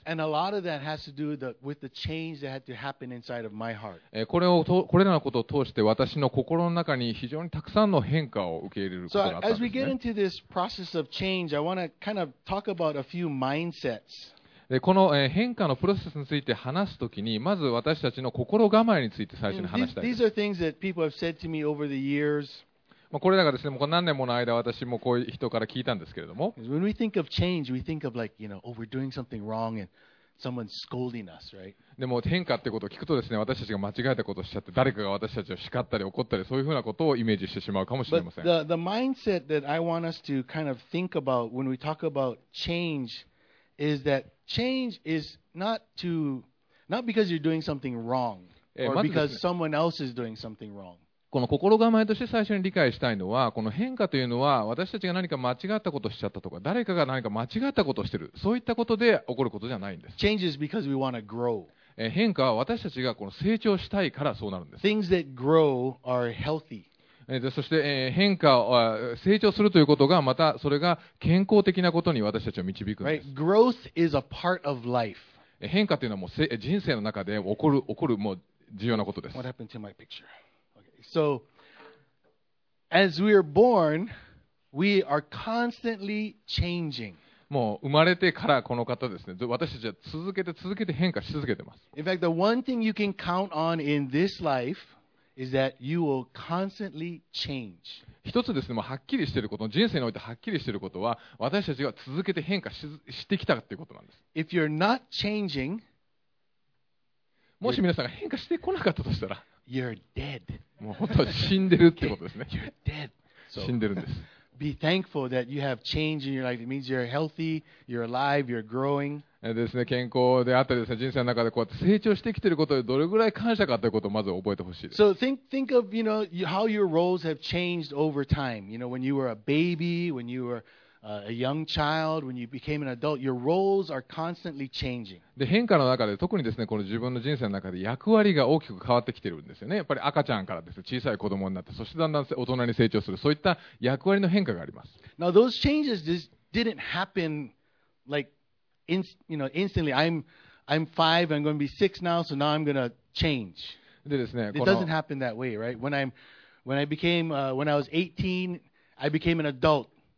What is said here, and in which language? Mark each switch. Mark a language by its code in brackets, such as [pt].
[en] And a lot of that has to do with the change that had to happen inside of my heart. [ja] これらのことを通して私の心の中に非常にたくさんの変化を受け入れることがあったんですね。 [en] So as we get into this process of change, I want to kind of talk about a few mindsets. [ja] この変化のプロセスについて話すときに、まず私たちの心構えについて最初に話したいです。 [en] These are things that people have said to me over the years. [ja] これらがですね、もう何年もの間私もこういう人から聞いたんですけれども、 [en] When we think of change, we think of like, you know, oh, we're doing something wrong and someone's scolding us, right? [ja] でも変化ってことを聞くとですね、私たちが間違えたことをしちゃって誰かが私たちを叱ったり怒ったり、そういうふうなことをイメージしてしまうかもしれません。 [en] But the mindset that I want us to kind of think about when we talk about change is thatChange is not because you're doing something wrong or because someone else is doing something wrong. [ja] この心構えとして最初に理解したいのは、この変化というのは私たちが何か間違ったことをしちゃったとか、誰かが何か間違ったことをしている、そういったことで起こることじゃないんです。 [en] Change is because we want to grow. [ja] 変化は私たちがこの成長したいからそうなるんです。 [en] Things that grow are healthy. [ja] そして変化を成長するということが、またそれが健康的なことに私たちを導くんです。 [en] Right. Growth is a part of life. [ja] 変化というのはもう人生の中で起こるもう重要なことです。 [en] What happened to my picture? Okay. So, as we are born, we are constantly changing. [ja] もう生まれてからこの方ですね、私たちは続けて変化し続けてます。 [en] In fact, the one thing you can count on in this lifeis that you will constantly change. [ja] 一つですね、はっきりしていること、人生においてはっきりしていることは、私たちが続けて変化 してきたということなんです。 [en] If you're not changing, [ja] もし皆さんが変化してこなかったとしたら、 [en] You're dead. [ja] もう本当は死んでるってことですね。 [en] You're dead. [ja] 死んでるんです。 [en] Be thankful that you have change in your life. It means you're healthy, you're alive, you're growing [ja] ですね、健康であったりですね、人生の中でこうやって成長してきていることでどれぐらい感謝かということをまず覚えてほしいです。 [en] So think of, you know, how your roles have changed over time. You know, when you were a baby, when you were a young child, when you became an adult, your roles are constantly changing. [ja] で変化の中で特にですね、この自分の人生の中で役割が大きく変わってきているんですよね。やっぱり赤ちゃんからですね、小さい子供になって、そしてだんだん大人に成長する、そういった役割の変化があります。 [en] Now those changes didn't happen likeyou know, instantly, I'm five, I'm going to be six now, so now I'm going to change. [ja] でですね、 [en] It doesn't happen that way, right? When I was 18, I became an adult.